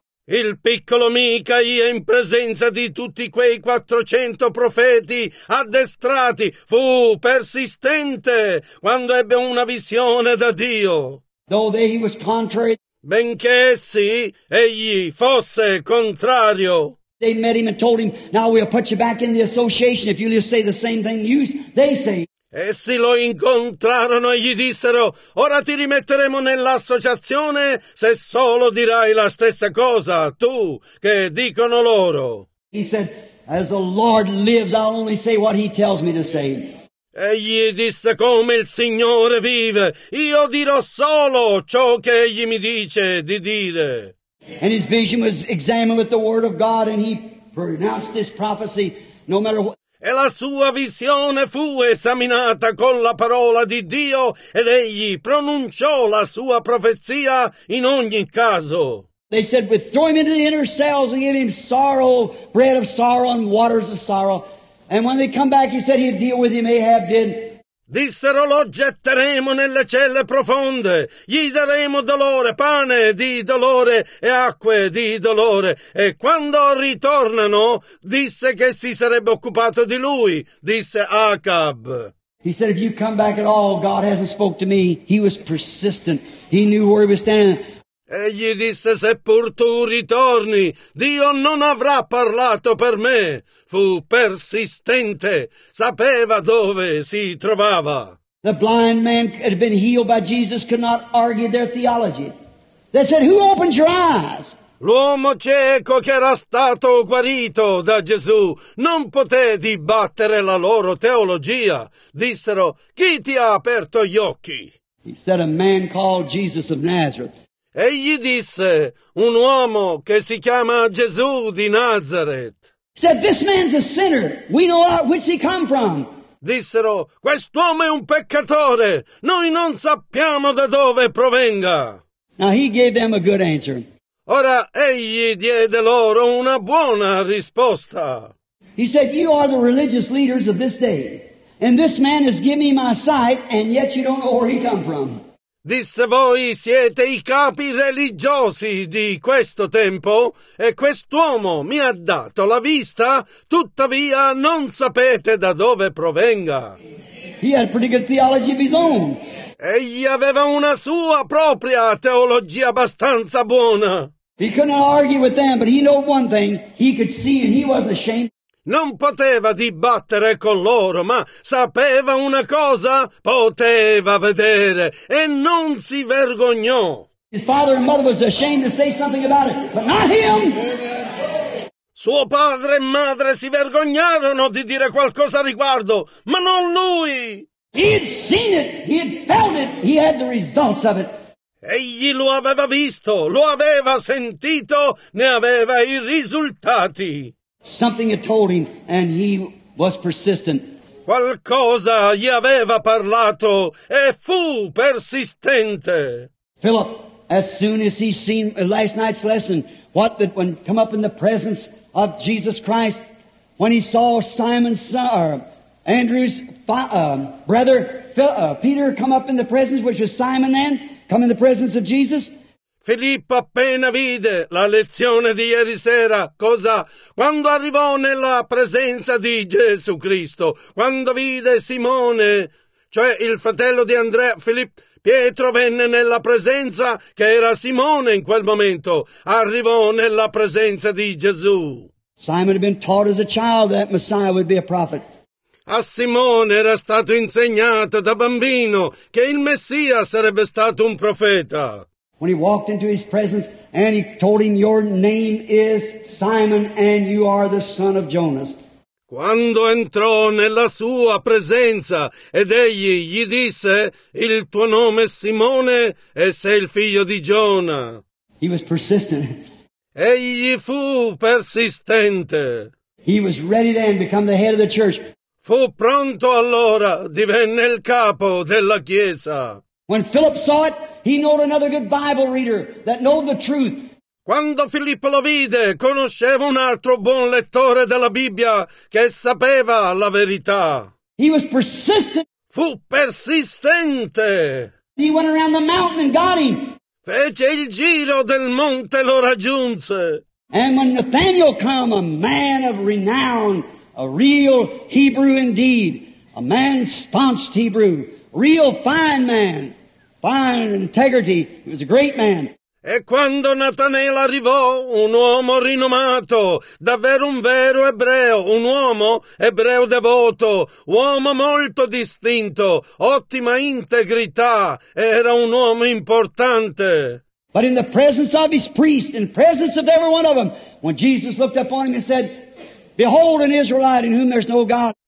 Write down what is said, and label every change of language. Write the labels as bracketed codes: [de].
[it] Il piccolo Micaia, in presenza di tutti quei 400 profeti addestrati, fu persistente quando ebbe una visione da Dio. [en] Though he was contrary, [it] benché essi egli fosse contrario. [en] They met him and told him, now we'll put you back in the association if you'll just say the same thing they say. [it] Essi lo incontrarono e gli dissero, ora ti rimetteremo nell'associazione se solo dirai la stessa cosa, tu, che dicono loro. [en] He said, as the Lord lives, I'll only say what he tells me to say. [it] Egli disse, come il Signore vive, io dirò solo ciò che egli mi dice di dire. [en] And his vision was examined with the word of God, and he pronounced this prophecy no matter what. [it] E la sua visione fu esaminata con la parola di Dio, ed egli pronunciò la sua profezia in ogni caso. [en] They said, we throw him into the inner cells and give him sorrow, bread of sorrow and waters of sorrow. And when they come back, he said he'd deal with him, Ahab did. [it] Dissero, lo getteremo nelle celle profonde, gli daremo dolore, pane di dolore e acque di dolore. E quando ritornano, disse che si sarebbe occupato di lui, disse Acab. [en] He said, if you come back at all, God hasn't spoke to me. He was persistent. He knew where he was standing. [it] Egli disse, seppur tu ritorni, Dio non avrà parlato per me. Fu persistente, sapeva dove si trovava. [en] The blind man had been healed by Jesus, could not argue their theology. They said, who opened your eyes? [it] L'uomo cieco che era stato guarito da Gesù non poté dibattere la loro teologia. Dissero, chi ti ha aperto gli occhi? [en] He said, a man called Jesus of Nazareth. [it] Egli disse, un uomo che si chiama Gesù di Nazareth. [en] Said, this man's a sinner. We know out which he come from. [it] Dissero, quest'uomo è un peccatore. Noi non sappiamo da dove provenga. [en] Now he gave them a good answer. [it] Ora egli diede loro una buona risposta. [en] He said, you are the religious leaders of this day. And this man has given me my sight, and yet you don't know where he come from. [it] Disse, voi siete i capi religiosi di questo tempo e quest'uomo mi ha dato la vista, tuttavia non sapete da dove provenga. [en] He had a pretty good theology of his own. [it] Egli aveva una sua propria teologia abbastanza buona. [en] He could not argue with them, but he knew one thing, he could see and he wasn't ashamed. [it] Non poteva dibattere con loro, ma sapeva una cosa, poteva vedere, e non si vergognò. [en] His father and mother was ashamed to say something about it, but not him. [it] Suo padre e madre si vergognarono di dire qualcosa a riguardo, ma non lui. [en] He had seen it, he had felt it, he had the results of it. [it] Egli lo aveva visto, lo aveva sentito, ne aveva i risultati. [en] Something had told him, and he was persistent. [it] Qualcosa gli aveva parlato, e fu persistente. [en] Philip, as soon as he seen last night's lesson, what that when come up in the presence of Jesus Christ, when he saw Simon's son, or Andrew's brother, Peter, come up in the presence, which was Simon then, come in the presence of Jesus. [it] Filippo appena vide la lezione di ieri sera, cosa? Quando arrivò nella presenza di Gesù Cristo, quando vide Simone, cioè il fratello di Andrea, Filippo, Pietro venne nella presenza, che era Simone in quel momento, arrivò nella presenza di Gesù. [en] Simon had been taught as a child that Messiah would be a prophet. [it] A Simone era stato insegnato da bambino che il Messia sarebbe stato un profeta. [en] When he walked into his presence and he told him, your name is Simon and you are the son of Jonas. [it] Quando entrò nella sua presenza ed egli gli disse, il tuo nome è Simone e sei il figlio di Giona. [en] He was persistent. [it] Egli fu persistente. [en] He was ready then to become the head of the church. [it] Fu pronto allora, divenne il capo della chiesa. [en] When Philip saw it, he knew another good Bible reader that knew the truth. [it] Quando Filippo lo vide, conosceva un altro buon lettore della Bibbia che sapeva la verità. [en] He was persistent. [it] Fu persistente. [en] He went around the mountain and got him. [it] Fece il giro del monte e lo raggiunse. [en] And when Nathanael came, a man of renown, a real Hebrew indeed, a man staunch Hebrew, real fine man, fine integrity, he was a great man. [it] E quando Natanael arrivò, un uomo rinomato, davvero un vero ebreo, un uomo ebreo devoto, uomo molto distinto, ottima integrità, era un uomo importante. [en] But in the presence of his priest, in the presence of every one of them, when Jesus looked upon him and said, "Behold an Israelite in whom there's no God."